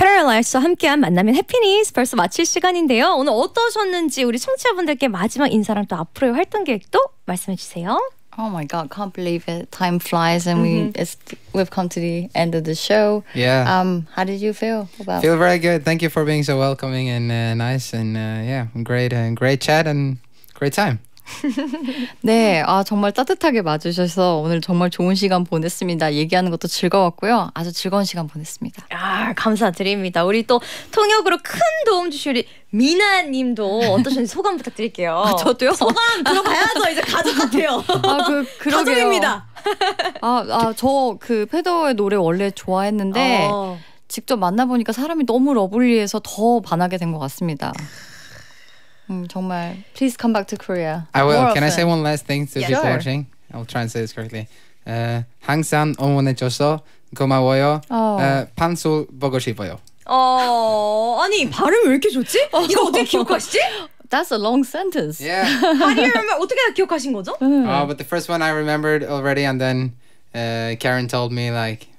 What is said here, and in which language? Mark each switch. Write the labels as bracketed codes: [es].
[ko] 그래서 함께한 만나면 해피니스 벌써 마칠 시간인데요. 오늘 어떠셨는지 우리 청취자분들께 마지막 인사랑 또 앞으로의 활동 계획도 말씀해 주세요. [en] Oh my god, can't believe it. Time flies and we've come to the end of the show. Yeah. How did you feel about? Feel very good. Thank you for being so welcoming and nice and yeah, great and great chat and great time. [ko] 네, 아 정말 따뜻하게 맞으셔서 오늘 정말 좋은 시간 보냈습니다. 얘기하는 것도 즐거웠고요. 아주 즐거운 시간 보냈습니다. 아, 감사드립니다. 우리 또 통역으로 큰 도움 주실 우리 미나님도 어떠셨는지 소감 부탁드릴게요. 아, 저도요? 소감 들어봐야죠. 이제 가족 같아요. 아, 그러게요. 가족입니다. 저 페더의 노래 원래 좋아했는데 직접 만나보니까 사람이 너무 러블리해서 더 반하게 된 것 같습니다. 정말 [en] please come back to Korea. I will. More Can I say one last thing to yeah, people sure. watching? I'll try and say this correctly. [ko] 항상 응원해줘서 고마워요. 판소 보고 싶어요. 아니 발음 왜 이렇게 좋지? 이거 어떻게 기억하시지? [en] That's a long sentence. Yeah. How do you remember? [ko] 어떻게 기억하신 거죠? [en] But the first one I remembered already, and then Karen told me like.